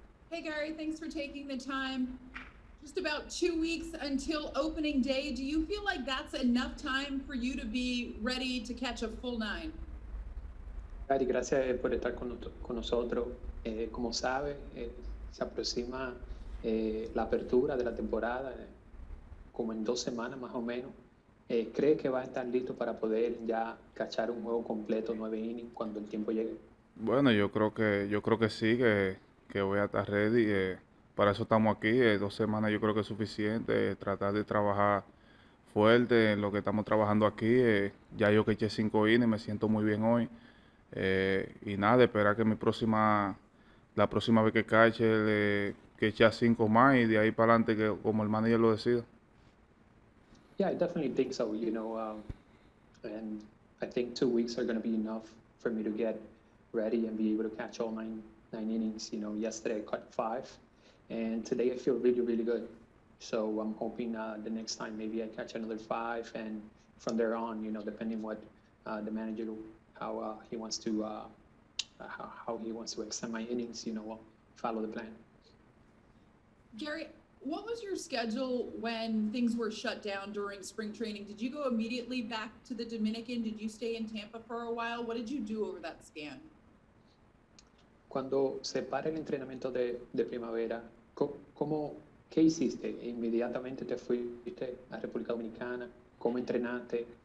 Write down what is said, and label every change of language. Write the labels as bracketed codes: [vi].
[en] Hey, Gary, thanks for taking the time. Just about 2 weeks until opening day. Do you feel like that's enough time for you to be ready to catch a full nine? [es] Gary, gracias por estar con nosotros. Como sabe, se aproxima la apertura de la temporada como en 2 semanas más o menos. ¿Cree que va a estar listo para poder ya cachar un juego completo, 9 innings, cuando el tiempo llegue? Bueno, yo creo que sí, que voy a estar ready. Para eso estamos aquí. 2 semanas yo creo que es suficiente. Tratar de trabajar fuerte en lo que estamos trabajando aquí. Ya yo caché 5 innings, me siento muy bien hoy. Y nada, esperar que la próxima vez que cache, que eche a 5 más y de ahí para adelante, que como el manager lo decida. [en] Yeah, I definitely think so, you know, and I think 2 weeks are going to be enough for me to get ready and be able to catch all nine innings. You know, yesterday I caught 5, and today I feel really, really good. So I'm hoping the next time maybe I catch another 5, and from there on, you know, depending what the manager, how he wants to extend my innings, you know, follow the plan. Gary, what was your schedule when things were shut down during spring training? Did you go immediately back to the Dominican? Did you stay in Tampa for a while? What did you do over that span? [es] Cuando se para el entrenamiento de primavera, ¿qué hiciste? Inmediatamente te fuiste a República Dominicana. ¿Cómo entrenaste?